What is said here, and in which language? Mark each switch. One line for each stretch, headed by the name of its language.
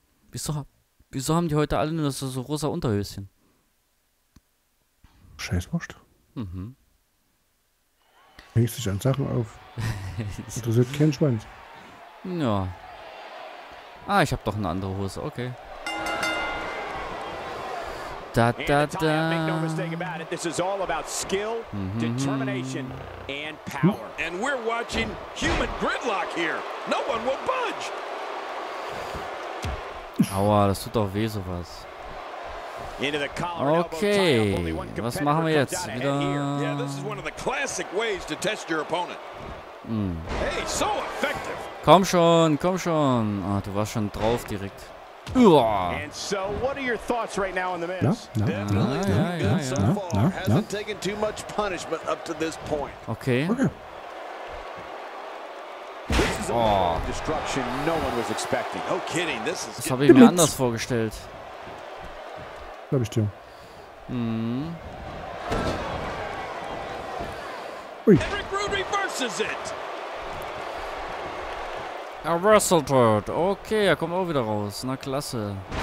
German: Wieso haben die heute alle nur so rosa Unterhöschen? Scheißwurst. Mhm. Hängst dich an Sachen auf. Interessiert keinen Schwanz. Ja. Ah, ich hab doch eine andere Hose, okay. Da, da, da.
English: Determination and power. And we're watching human gridlock here. No one will budge.
German: Aua, das tut doch weh, sowas. Okay, was machen wir jetzt? Wieder.
English: Yeah, this is one of the classic ways to test your opponent. Hey, so effective.
German: Komm schon, komm schon. Ah, du warst schon drauf direkt. Uah.
English: So, what are your thoughts right now in the
German: Miz? Ja.
English: Hasn't taken too much punishment up to this point. Okay. This is a destruction no one was expecting. No kidding. This is
German: Das habe ich mir anders vorgestellt. Glaube ich dir. Ui.
English: Eric Rude reverses it.
German: Er wrestelt dort. Okay, er kommt auch wieder raus. Na klasse.